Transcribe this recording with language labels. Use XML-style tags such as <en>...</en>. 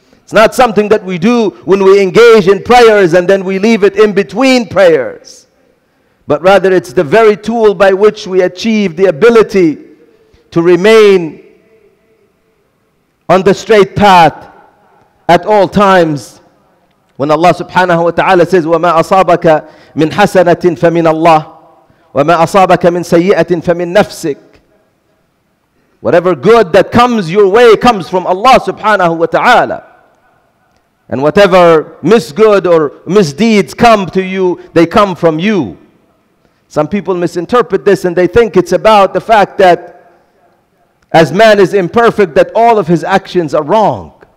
<en>It's not something that we do when we engage in prayers and then we leave it in between prayers. But rather it's the very tool by which we achieve the ability to remain on the straight path at all times. When Allah subhanahu wa ta'ala says,</en> <ar>وَمَا أَصَابَكَ مِنْ حَسَنَةٍ فَمِنَ اللَّهِ وَمَا أَصَابَكَ مِنْ سَيِّئَةٍ فَمِنْ نَفْسِكَ.</ar> <en>Whatever good that comes your way comes from Allah subhanahu wa ta'ala. And whatever misgood or misdeeds come to you, they come from you. Some people misinterpret this and they think it's about the fact that as man is imperfect, that all of his actions are wrong.</en>